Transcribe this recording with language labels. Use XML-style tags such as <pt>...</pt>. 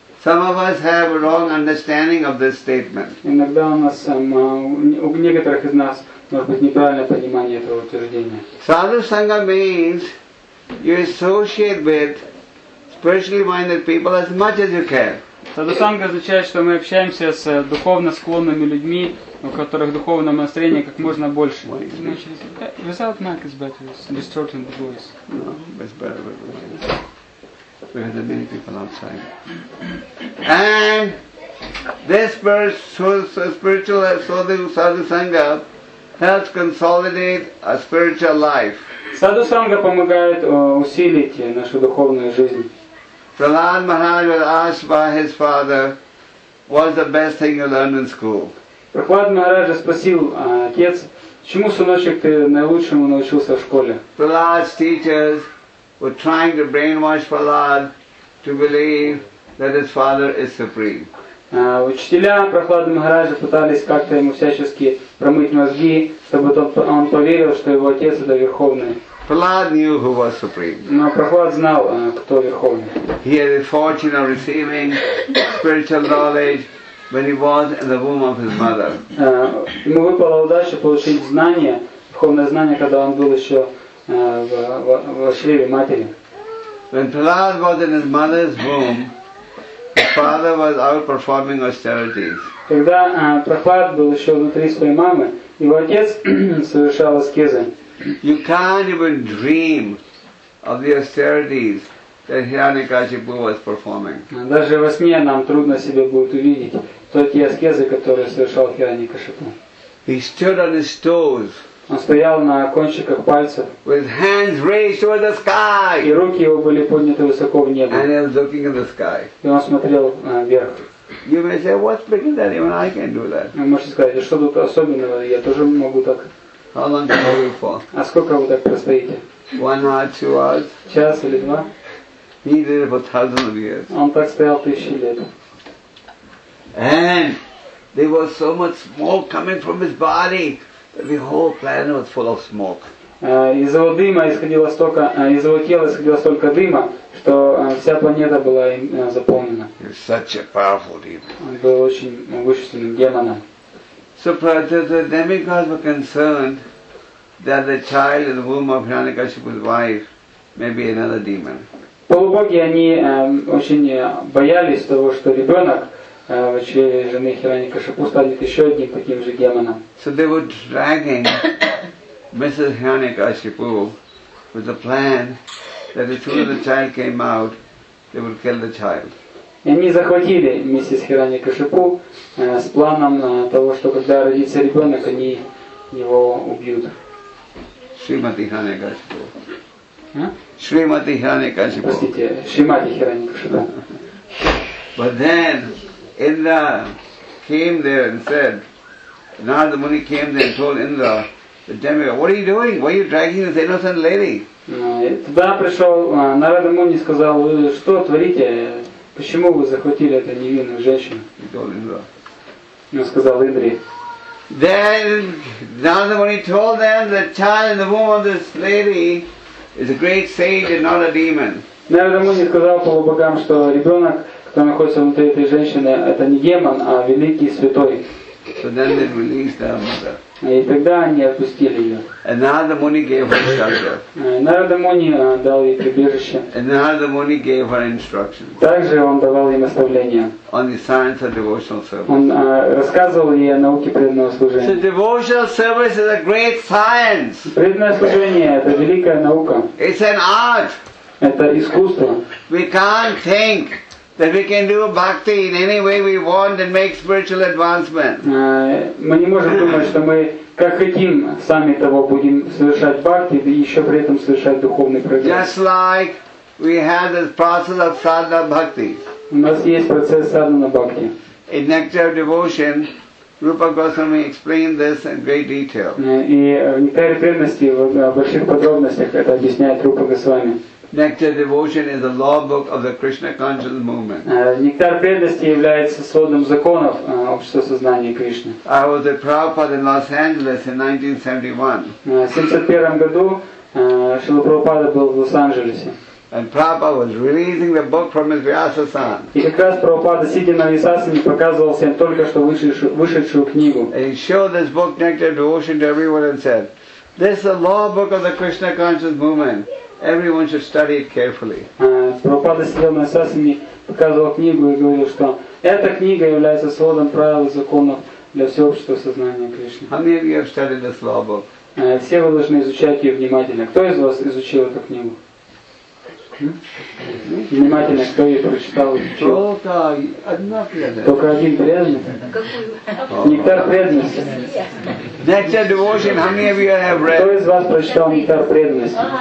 <en>Some of us have a wrong understanding of this statement.</en> <ru>Иногда у нас, у некоторых из нас может быть неправильное понимание этого утверждения.</ru> <en>Sadhu sangha means you associate with spiritually minded people as much as you can.</en> <ru>Sadhu sangha означает, что мы общаемся с духовно склонными людьми, у которых духовное настроение как можно больше.</ru> <en>Without mic is better, it's distorting the voice. No, it's better. We have many people outside. And this spiritual sadhu sangha helps consolidate a spiritual life.</en> <ru>Sadhu sangha помогает усилить нашу духовную жизнь.</ru> <en>Prahlad Maharaj was asked by his father, "What's the best thing you learned in school?"</en> <ru>Prahlad Maharaj спросил отец, чему сыночек ты наилучшему научился в школе.</ru> <en>Prahlad's teachers were trying to brainwash Prahlad to believe that his father is supreme.</en> <ru>Учителя Прохлады Махараджа пытались как-то ему всячески промыть мозги, чтобы он поверил, что его отец это верховный.</ru> <en>Prahlad knew who was supreme.</en> <ru>Но Прохлад знал, кто верховный.</ru> <en>He had the fortune of receiving spiritual knowledge when he was in the womb of his mother.</en> <ru>Ему выпала удача получить знание, духовное знание, когда он был еще в чреве матери.</ru> <en>When Prahlad was in his mother's womb, his father was out performing austerities.</en> <ru>Когда Прохлад был еще внутри своей мамы, его отец совершал аскезы.</ru> <en>You can't even dream of the austerities that Hiranyakashipu was performing.</en> <ru>Даже во сне нам трудно себе будет увидеть тот те аскезы, которые совершал Хиранякашипу.</ru> <en>He stood on his toes.</en> <ru>Он стоял на кончиках пальцев.</ru> <en>With hands raised toward the sky.</en> <ru>И руки его были подняты высоко в небо.</ru> <en>And he was looking at the sky.</en> <ru>И он смотрел вверх.</ru> <en>You may say, what's bigger than even I can do that?</en> <ru>Вы можете сказать, что тут особенного? Я тоже могу так.</ru> <en>How long can you hold for?</en> <ru>А сколько вы так простоите?</ru> <en>1 hour, 2 hours.</en> <ru>Час или два?</ru> <en>He did it for thousands of years.</en> <ru>Он так стоял тысячи лет.</ru> <en>And there was so much smoke coming from his body. The whole planet was full of smoke.</en> <ru>Из его дыма исходило столько, из его тела исходило столько дыма, что вся планета была заполнена.</ru> <en>He's such a powerful demon.</en> <ru>Он был очень могущественным демоном.</ru> <en>So the demigods were concerned that the child in the womb of Hiranyakashipu's wife may be another demon.</en> <ru>Полубоги они очень боялись того, что ребенок в чреве жены Хиранякашипу станет еще одним таким же демоном.</ru> <en>So they were dragging Mrs. Hiranyakashipu with a plan that as soon as the child came out, they would kill the child.</en> <ru>И они захватили миссис Хиранякашипу с планом того, что когда родится ребенок, они его убьют. Шримати Хиранякашипу. Шримати Хиранякашипу. Простите, Шримати Хиранякашипу.</ru> <en>But then Indra came there and said, Narada Muni came there and told Indra, the demigod, what are you doing? Why are you dragging this innocent lady?</en> <ru>Туда пришел Нарада Муни и сказал, вы что творите? Почему вы захватили эту невинную женщину?</ru> <en>He told Indra.</en> <ru>И он сказал Индре.</ru> <en>Then Narada Muni told them that child in the womb of this lady is a great sage and not a demon.</en> <ru>Наверное, Муни не сказал полубогам, что ребенок, который находится внутри этой женщины, это не демон, а великий святой.</ru> <en>So then they released their mother.</en> <ru>И тогда они отпустили ее.</ru> <en>Narada Muni gave her shelter.</en> <ru>Narada Muni дал ей прибежище.</ru> <en>Narada Muni gave her instructions.</en> <ru>Также он давал им наставления.</ru> <en>On the science of devotional service.</en> <ru>Он рассказывал ей о науке преданного служения.</ru> <en>So devotional service is a great science.</en> <ru>Преданное служение это великая наука.</ru> <en>It's an art.</en> <ru>Это искусство.</ru> <en>We can't think that we can do bhakti in any way we want and make spiritual advancement.</en> <ru>Мы не можем думать, что мы как хотим сами того будем совершать бхакти и еще при этом совершать духовный прогресс.</ru> <en>Just like we have this process of sadhana bhakti.</en> <ru>У нас есть процесс sadhana bhakti.</ru> <en>In Nectar of Devotion, Rupa Goswami explained this in great detail.</en> <ru>И в Нектаре преданности в больших подробностях это объясняет Рупа Госвами.</ru> <en>Nectar Devotion is the law book of the Krishna Conscious Movement.</en> <ru>Нектар преданности является сводным законов общества сознания Кришны.</ru> <en>I was at Prabhupada in Los Angeles in</en> <ru>1971. В 1971 году Шрила Прабхупада был в Лос-Анджелесе.</ru> <en>And Prabhupada was releasing the book from his Vyasa-san.</en> <ru>И как раз Прабхупада, сидя на Вьясасане, показывал всем только что вышедшую книгу.</ru> <en>And he showed this book, Nectar Devotion, to everyone and said, this is the law book of the Krishna Conscious Movement. Everyone should study it carefully.</en> <ru>Прабхупада сидел на Вьясасане, показывал книгу и говорил, что эта книга является сводом правил и законов для всего общества сознания Кришны.</ru> <en>How many of you have studied this law book?</en> <ru>Все вы должны изучать ее внимательно. Кто из вас изучил эту книгу? Внимательно, кто ее прочитал и изучил? Только один преданный. Нектар преданности.</ru> <en>Nectar Devotion, how many of you have read?</en> <ru>Кто из вас прочитал Нектар преданности?</ru>